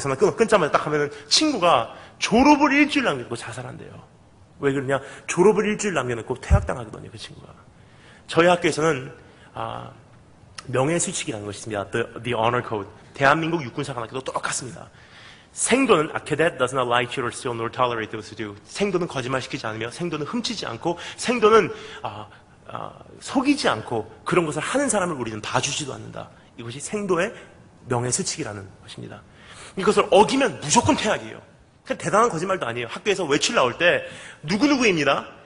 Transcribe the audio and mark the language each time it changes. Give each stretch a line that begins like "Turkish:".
Korean: 전화 끊자마자 딱 하면 친구가 졸업을 일주일 남겨놓고 자살한대요. 왜 그러냐? 졸업을 일주일 남겨놓고 퇴학당하거든요. 그 친구가. 저희 학교에서는 명예수칙이라는 것이 있습니다.
English: The Honor Code.
Korean: 대한민국 육군사관학교도 똑같습니다. 생도는
English: Cadet does not lie, cheat, or steal, nor tolerate those who do.
Korean: 생도는 거짓말시키지 않으며 생도는 훔치지 않고 생도는 속이지 않고 그런 것을 하는 사람을 우리는 봐주지도 않는다. 이것이 생도의 명예수칙이라는 것입니다. 이것을 어기면 무조건 퇴학이에요. 대단한 거짓말도 아니에요. 학교에서 외출 나올 때 누구누구입니다.